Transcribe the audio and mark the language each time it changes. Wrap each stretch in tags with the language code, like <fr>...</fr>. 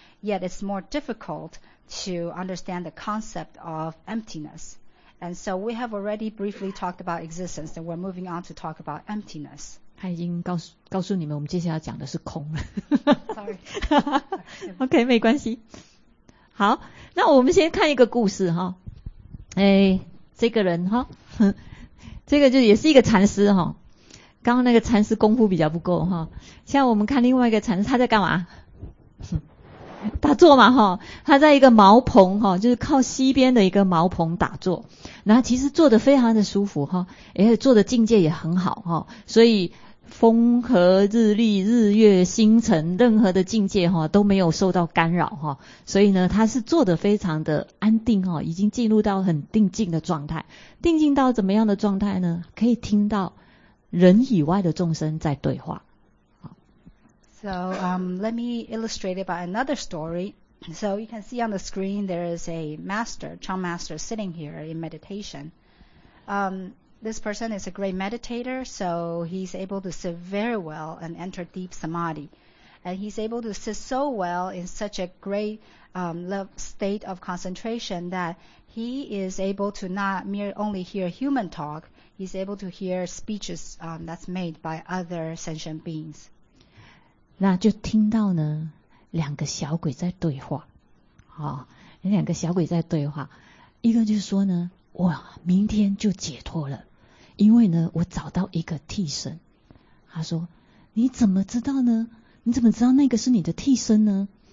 <en>Yet it's more difficult to understand the concept of emptiness. And so we have already briefly talked about existence, and we're moving on to talk about emptiness.</en> <zh>他已经告诉你们，我们接下来讲的是空了。</zh> <en>Sorry，OK， okay,</en> <zh>没关系。好，那我们先看一个故事哈。哎，这个人哈，这个就也是一个禅师哈。刚刚那个禅师功夫比较不够哈。现在我们看另外一个禅师，他在干嘛？打坐嘛哈。他在一个茅棚哈，就是靠西边的一个茅棚打坐。然后其实坐得非常的舒服哈，而且坐的境界也很好哈，所以风和日丽、日月星辰，任何的境界哈都没有受到干扰哈，所以呢，他是坐得非常的安定哈，已经进入到很定静的状态。定静到怎么样的状态呢？可以听到人以外的众生在对话。</zh> <en>So, let me illustrate it by another story. So you can see on the screen, there is a master, Chan master, sitting here in meditation. This person is a great meditator, so he's able to sit very well and enter deep samadhi. And he's able to sit so well in such a great state of concentration that he is able to not merely only hear human talk, he's able to hear speeches that's made by other sentient beings.</en> <zh>那就听到呢。两个小鬼在对话，好、哦，两个小鬼在对话，一个就说呢，哇，明天就解脱了，因为呢，我找到一个替身。他说，你怎么知道呢？你怎么知道那个是你的替身呢？</zh>